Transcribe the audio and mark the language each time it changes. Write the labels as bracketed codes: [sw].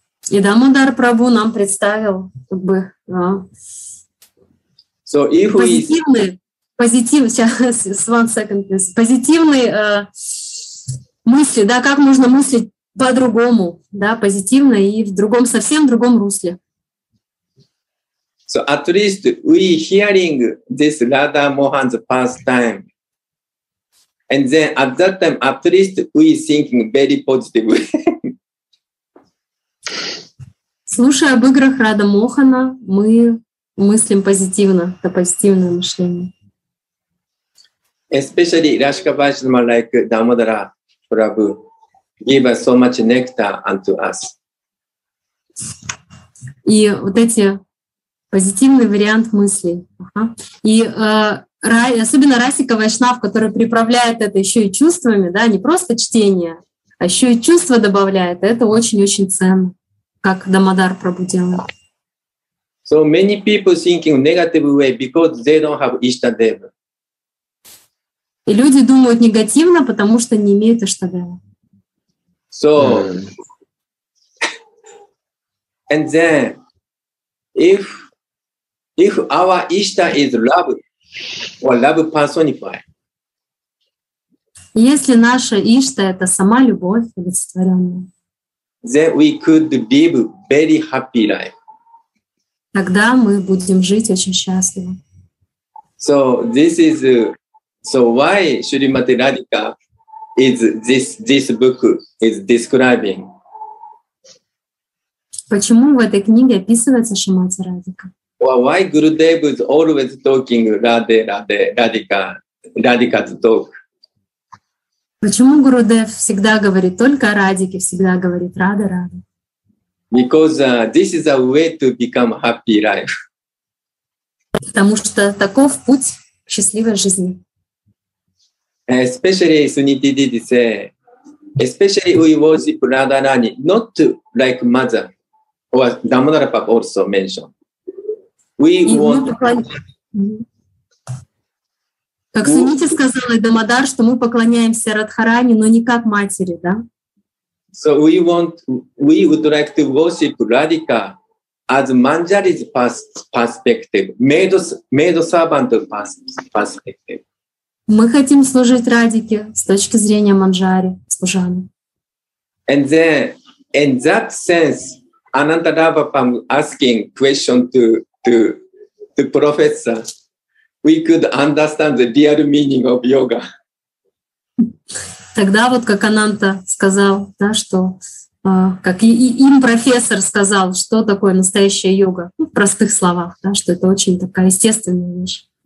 [ru] И Дамодар Прабху нам представил, как бы, [en] so if [ru] позитивные, [en] we... [ru] мысли, да, как можно мыслить по-другому, да, позитивно и в другом, совсем другом русле. [en] So at least we hearing this Radha Mohan's pastime. And then at that time, at least we thinking very positive. [ru] Слушая об играх Радха Мохана, мы мыслим позитивно, это позитивное мышление. [en] Especially Rashka Vajnama like Damodara Prabhu gave so much nectar unto us. [ru] И вот эти позитивный вариант мысли. И особенно Расика Вайшнав, который приправляет это еще и чувствами, да, не просто чтение, а еще и чувства добавляет. Это очень-очень ценно, как Дамодар Прабху делает. [en] So many people thinking negative way because they don't have Ishtadeva. [ru] И люди думают негативно, потому что не имеют Иштадева. [en] So, and then, if our Ishta is love, or love personified, [ru] если наша Ишта — это сама любовь, олицетворённая, [en] then we could live very happy life. [ru] Тогда мы будем жить очень счастливо. [en] So, this is... So why Shrimati Radhika is this book is describing? [ru] Почему в этой книге описывается Шримати Радхика? [en] Well, why Gurudev is always talking Radhe Radhe Radhika Radhika's talk? [ru] Почему Гурудев всегда говорит только о Радике, всегда говорит Радхе Радхе? [en] Because this is a way to become happy life. [ru] Потому что таков путь счастливой жизни. [en] Especially Suniti Didi say, especially we worship Radharani, not like mother, or Damodara Prabhu also mentioned. We [ru] и [en] want. [ru] Как Суниди сказал и Дамодар, что мы поклоняемся Радхарани, но не как матери, да? [en] So we want, we would like to worship Radhika as Manjari's perspective, maid servant perspective. [ru] Мы хотим служить Радике с точки зрения Манджари, служаны. [en] And then, in that sense, Ananda Rabapam asking question to professor, we could understand the real meaning of yoga. [ru] Тогда вот как Ананта сказал, да, что как и им профессор сказал, что такое настоящая йога, ну, в простых словах, да, что это очень такая естественная вещь.